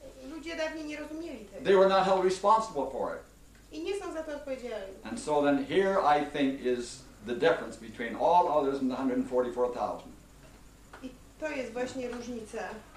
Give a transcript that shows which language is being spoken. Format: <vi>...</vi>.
<pl>Ludzie dawniej nie rozumieli tego.</pl> <en>They were not held responsible for it.</en> <pl>I nie są za to odpowiedzialni.</pl> <en>And so then here I think is the difference between all others and the 144,000.</en> <pl>I to jest właśnie różnica.</pl>